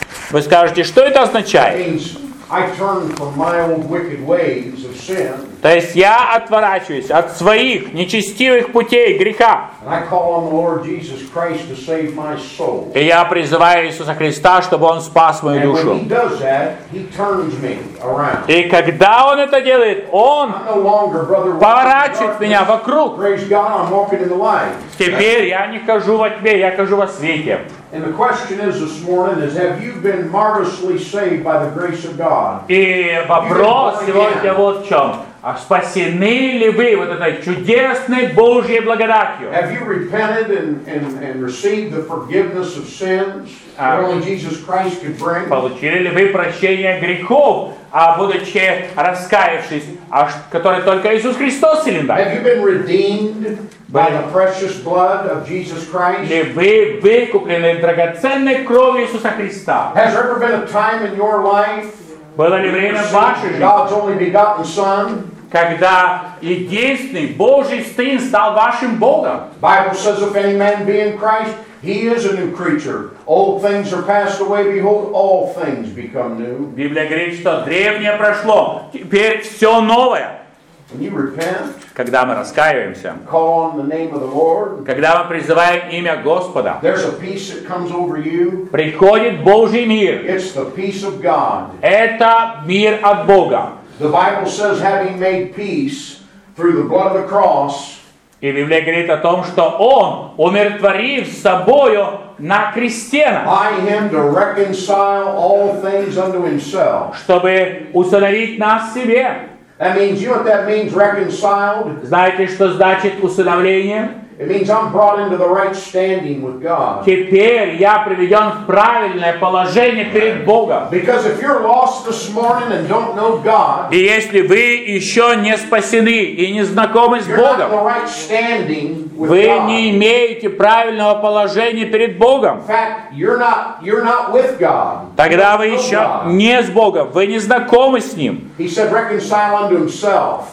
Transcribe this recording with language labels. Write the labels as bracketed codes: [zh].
[ru] Вы скажете, что это означает? [en] I turn from my own wicked ways of sin. [ru] То есть я отворачиваюсь от своих нечестивых путей греха. [en] And I call on the Lord Jesus Christ to save my soul. [ru] И я призываю Иисуса Христа, чтобы Он спас мою душу. [en] And when He does that, He turns me around. [ru] И когда Он это делает, Он поворачивает меня вокруг. [en] Praise God, I'm walking in the light. [ru] Теперь я не хожу во тьме, я хожу во свете. [en] And the question is this morning is have you been marvelously saved by the grace of God? [ru] И вопрос сегодня вот в чём. А спасены ли вы вот этой чудесной Божьей благодатью? [en] Have you repented and received the forgiveness of sins that only Jesus Christ could bring? [ru] Получили ли вы прощение грехов, а будучи раскаявшись, а который только Иисус Христос силен дать? [en] Have you been redeemed by the precious blood of Jesus Christ? [ru] Ли вы выкуплены драгоценной кровью Иисуса Христа? [en] Has there ever been a time in your life? [ru] Было ли время в вашей жизни, когда единственный Божий Сын стал вашим Богом? [en] Bible says, if any man be in Christ, he is a new creature. Old things are passed away, behold, all things become new. [ru] Библия говорит, что древнее прошло, теперь все новое. [en] When you repent, [ru] когда мы раскаиваемся, [en] call on the name of the Lord, [ru] когда мы призываем имя Господа, [en] there's a peace that comes over you. [ru] Приходит Божий мир. [en] It's the peace of God. [ru] Это мир от Бога. [en] The Bible says, having made peace through the blood of the cross. [ru] И Библия говорит о том, что Он умиротворив собою на кресте, [en] by him to reconcile all things unto himself. [ru] Чтобы усыновить нас себе. [en] That means, you know what that means, reconciled? [ru] Знаете, что значит усыновление? [en] It means I'm brought into the right standing with God. [ru] Теперь я приведен в правильное положение перед Богом. [en] Because if you're lost this morning and don't know God, [ru] и если вы еще не спасены и не знакомы с Богом, [en] you're not in the right standing with [ru] вы [en] God. [ru] Не имеете правильного положения перед Богом. [en] In fact, you're not with God. [ru] Тогда вы еще не с Богом, вы не знакомы с Ним. [en] He said, reconcile unto himself.